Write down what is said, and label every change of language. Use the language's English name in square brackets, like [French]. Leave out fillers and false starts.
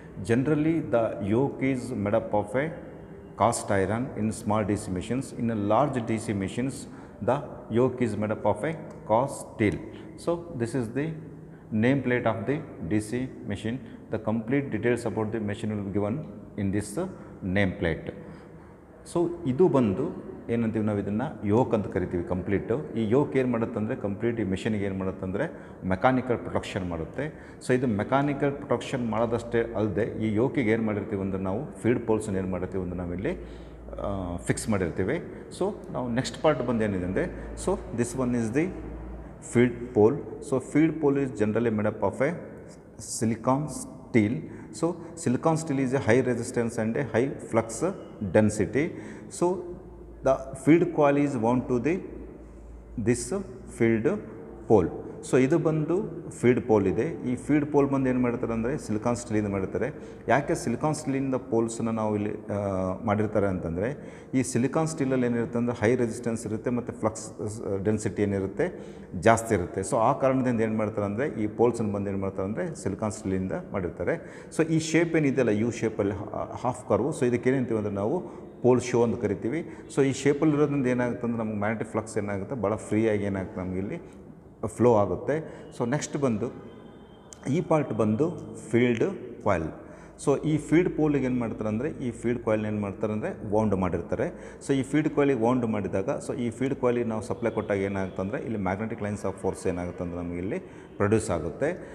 [English] Generally the yoke is made up of a cast iron in small DC machines. In a large DC machines the yoke is made up of a cast steel. So this is the nameplate of the DC machine. The complete details about the machine will be given in this nameplate. [Kannada] So idu bandu ಏನಂತೀವಿ ನಾವು ಇದನ್ನು yoke ಅಂತ ಕರಿತೀವಿ. Complete ಈ yoke ಏನು ಮಾಡುತ್ತಂದರೆ complete ಈ ಮೆಷಿನಿಗೆ ಏನು ಮಾಡುತ್ತಂದರೆ mechanical protection ಮಾಡುತ್ತೆ. ಸೊ ಇದು ಮೆಕ್ಯಾನಿಕಲ್ ಪ್ರೊಟೆಕ್ಷನ್ ಮಾಡೋದಷ್ಟೇ ಅಲ್ಲದೆ ಈ ಯೋಕಿಗೆ ಏನು ಮಾಡಿರ್ತೀವಿ ಅಂದರೆ ನಾವು ಫೀಲ್ಡ್ ಪೋಲ್ಸನ್ನು ಏನು ಮಾಡಿರ್ತೀವಿ ಅಂದರೆ ನಾವಿಲ್ಲಿ ಫಿಕ್ಸ್ ಮಾಡಿರ್ತೀವಿ. ಸೊ ನಾವು ನೆಕ್ಸ್ಟ್ ಪಾರ್ಟ್ ಬಂದು ಏನಿದೆ ಅಂದರೆ, [English] So this one is the field pole. So field pole is generally made up of a silicon steel. So silicon steel is a high resistance and a high flux density. So the field coil is wound to the this field pole. [Kannada] So idu bandu field pole ide. Ee field pole bandu en madutare andre silicon steel inda madutare. Yake silicon steel inda poles na navu illi madirtare antandre, ee silicon steel alli en irutte andre high resistance irutte matte flux density en irutte jaasti irutte. So aa karanadinda en madutare andre ee poles nu bandu en madutare andre silicon steel inda madirtare. So ee shape en idella u shape alli half curve. So idakke en antivandre navu pole show ಅಂತ ಕರಿತೀವಿ. So ಈ ಶೇಪಲ್ಲಿರೋದ್ರಿಂದ ಏನಾಗುತ್ತೆ ಅಂದರೆ ನಮಗೆ magnetic flux ಏನಾಗುತ್ತೆ ಭಾಳ ಫ್ರೀಯಾಗಿ ಏನಾಗುತ್ತೆ ನಮಗಿಲ್ಲಿ ಫ್ಲೋ ಆಗುತ್ತೆ. ಸೊ ನೆಕ್ಸ್ಟ್ ಬಂದು ಈ ಪಾರ್ಟ್ ಬಂದು ಫೀಲ್ಡ್ ಕಾಯಿಲ್. ಸೊ ಈ ಫೀಲ್ಡ್ ಪೋಲಿಗೆ ಏನು ಮಾಡ್ತಾರೆ ಅಂದರೆ ಈ ಫೀಲ್ಡ್ ಕಾಯಿಲ್ನ ಏನು ಮಾಡ್ತಾರೆ ಅಂದರೆ ವೌಂಡ್ ಮಾಡಿರ್ತಾರೆ. ಸೊ ಈ ಫೀಲ್ಡ್ ಕಾಯಿಲಿಗೆ ವೌಂಡ್ ಮಾಡಿದಾಗ ಸೊ ಈ ಫೀಲ್ಡ್ ಕಾಯಿಲಿಗೆ ನಾವು ಸಪ್ಲೈ ಕೊಟ್ಟಾಗ ಏನಾಗುತ್ತೆ ಅಂದರೆ ಇಲ್ಲಿ ಮ್ಯಾಗ್ನೆಟಿಕ್ ಲೈನ್ಸ್ ಆಫ್ ಫೋರ್ಸ್ ಏನಾಗುತ್ತೆ ಅಂದರೆ ನಮಗಿಲ್ಲಿ ಪ್ರೊಡ್ಯೂಸ್ ಆಗುತ್ತೆ.